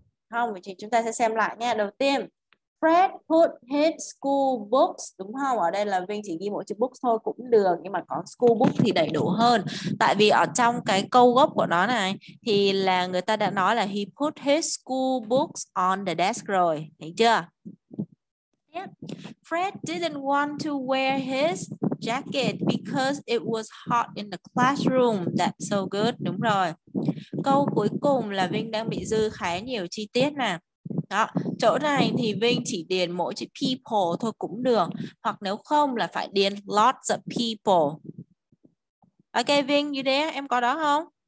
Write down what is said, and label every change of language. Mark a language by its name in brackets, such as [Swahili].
[Vietnamese] Không, thì chúng ta sẽ xem lại nha. Đầu tiên, [English] Fred put his school books, [Vietnamese] đúng không? Ở đây là Vinh chỉ ghi mỗi chữ books thôi cũng được, nhưng mà có school book thì đầy đủ hơn. Tại vì ở trong cái câu gốc của nó này thì là người ta đã nói là [English] he put his school books on the desk [Vietnamese] rồi, thấy chưa? [English] Fred didn't want to wear his jacket because it was hot in the classroom. That's so good. [Vietnamese] Đúng rồi. Câu cuối cùng là Vinh đang bị dư khá nhiều chi tiết nè. Đó, chỗ này thì Vinh chỉ điền mỗi chữ people thôi cũng được. Hoặc nếu không là phải điền lots of people. [English] Ok, Vinh, you there? [Vietnamese] Em có đó không?